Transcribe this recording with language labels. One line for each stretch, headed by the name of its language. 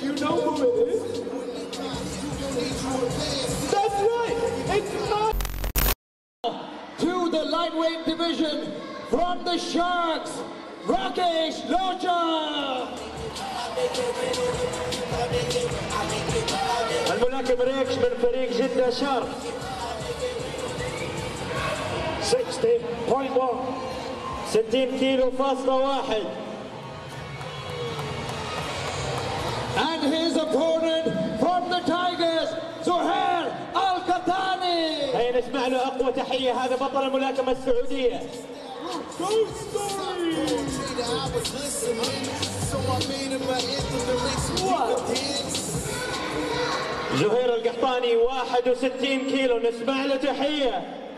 English: You know who it is? That's right! It's my... To the lightweight division from the Sharks, Rakesh Locha!
Arabic: الملاكم ريكش من فريق جدة شارك 60.1
English: And his opponent from the Tigers, Zuhair Al Qatani.
Arabic: هيا نسمع له أقوى تحية هذا بطل الملاكمة السعودية. زهير القحطاني 61 كيلو نسمع له تحية